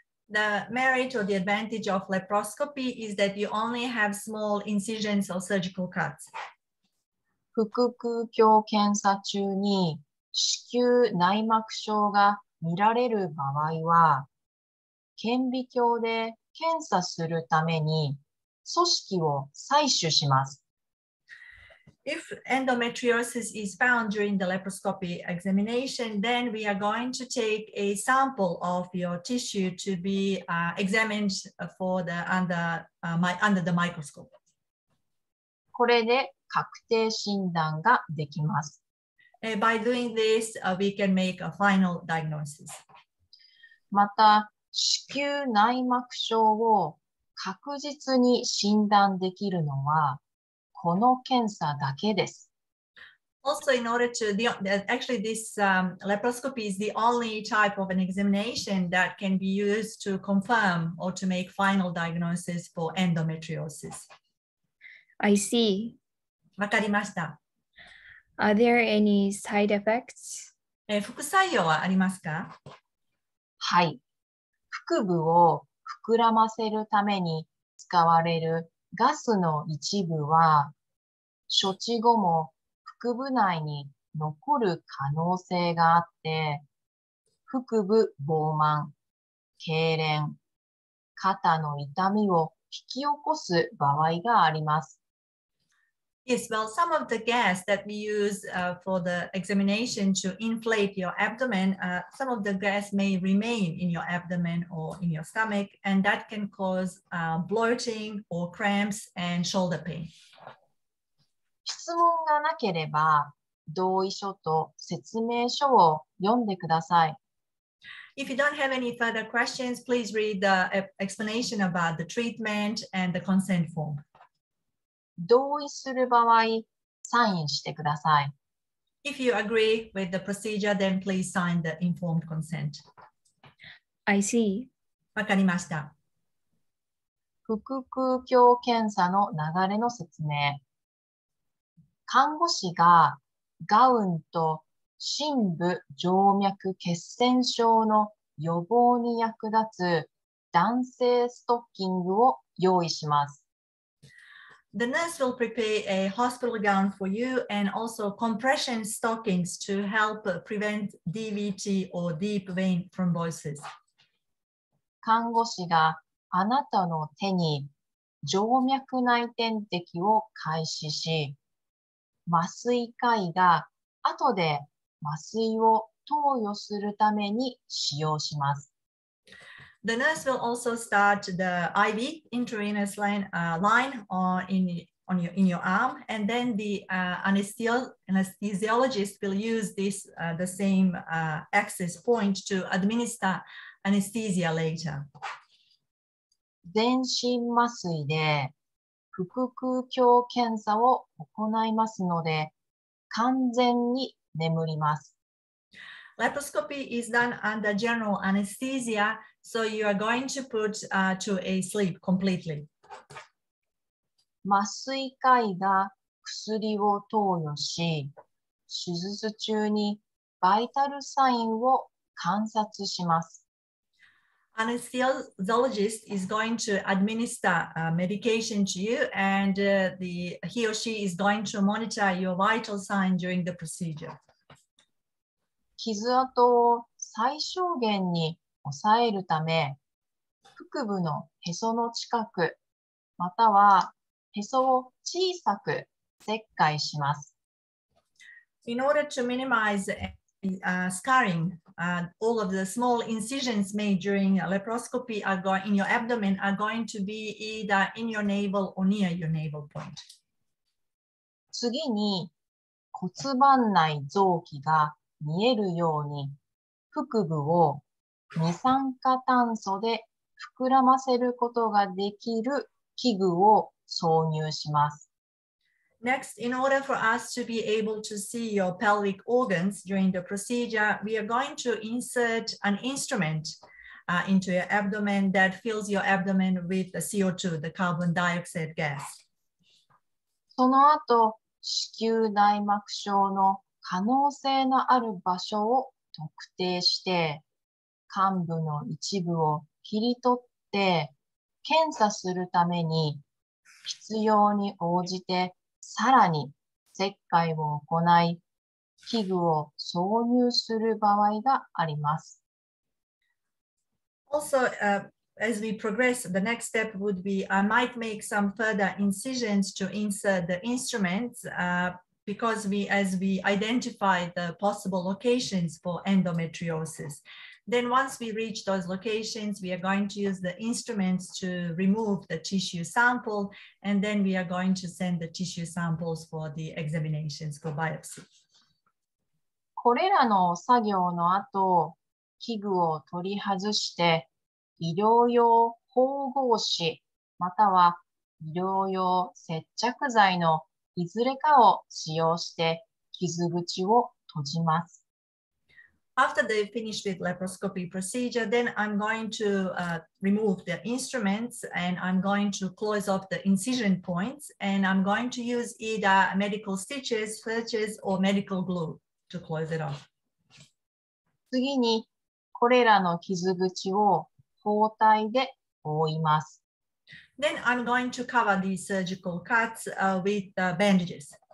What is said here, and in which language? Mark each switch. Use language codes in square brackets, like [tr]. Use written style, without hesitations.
[en] The merit or the advantage of laparoscopy is that you only have small incisions or surgical cuts. [ja] 腹腔鏡検査中に子宮内膜症が見られる場合は、顕微鏡で検査するために組織を採取します。 [en] If endometriosis is found during the laparoscopy examination, then we are going to take a sample of your tissue to be examined for the under the microscope. [ja] これで確定診断ができます。 [en] By doing this, we can make a final diagnosis. [ja] また、子宮内膜症を確実に診断できるのはこの検査だけです。 [en] Also, in order to actually, this laparoscopy is the only type of an examination that can be used to confirm or to make final diagnosis for endometriosis. I see. [ja] わかりました。 [en] Are there any side effects? [ja] 副作用はありますか? はい。腹部を膨らませるために使われるガスの一部は、処置後も腹部内に残る可能性があって、腹部膨満、痙攣、肩の痛みを引き起こす場合があります。 [en] Yes, well, some of the gas that we use for the examination to inflate your abdomen, some of the gas may remain in your abdomen or in your stomach, and that can cause bloating or cramps and shoulder pain. [ja] 質問がなければ同意書と説明書を読んでください。 [en] If you don't have any further questions, please read the explanation about the treatment and the consent form. [ja] 同意する場合、サインしてください。 [en] If you agree with the procedure, then please sign the informed consent. I see. [ja] わかりました。腹腔鏡検査の流れの説明。看護師がガウンと深部静脈血栓症の予防に役立つ弾性ストッキングを用意します。 [en] The nurse will prepare a hospital gown for you and also compression stockings to help prevent DVT or deep vein thrombosis. [ja] 看護師があなたの手に静脈内点滴を開始し、麻酔科医が後で麻酔を投与するために使用します。 [en] The nurse will also start the IV intravenous line in your arm, and then the anesthesiologist will use this the same access point to administer anesthesia later. [ja] 全身麻酔で腹腔鏡検査を行いますので、完全に眠ります。 [en] Laparoscopy is done under general anesthesia, so you are going to put to a sleep completely. [ja] 麻酔科医が薬を投与し、手術中にバイタルサインを観察します。 [en] Anesthesiologist is going to administer medication to you, and he or she is going to monitor your vital sign during the procedure. [ja] 傷跡を最小限に抑えるため、腹部のへその近く、またはへそを小さく切開します。 [en] In order to minimize scarring, all of the small incisions made during laparoscopy in your abdomen are going to be either in your navel or near your navel point. [ja] 次に骨盤内臓器が見えるように腹部を二酸化炭素で膨らませることができる器具を挿入します。 [en] Next, in order for us to be able to see your pelvic organs during the procedure, we are going to insert an instrument into your abdomen that fills your abdomen with the CO2, the carbon dioxide gas. [ja] その後、子宮内膜症の可能性のある場所を特定して、患部の一部を切り取って、検査するために、必要に応じてさらに切開を行い、器具を挿入する場合があります。 [en] Also, as we progress, the next step would be, I might make some further incisions to insert the instruments, because as we identify the possible locations for endometriosis. Then once we reach those locations, we are going to use the instruments to remove the tissue sample, and then we are going to send the tissue samples for the examinations for biopsy. [ja] これらの作業の後、器具を取り外して、医療用縫合紙、または医療用接着剤のいずれかを使用して傷口を閉じます。 [en] After they finish with laparoscopy procedure, then I'm going to remove the instruments and I'm going to close off the incision points and I'm going to use either medical stitches, sutures or medical glue to close it off. [ja] 次にこれらの傷口を包帯で覆います。 [en] Then I'm going to cover these surgical cuts with bandages.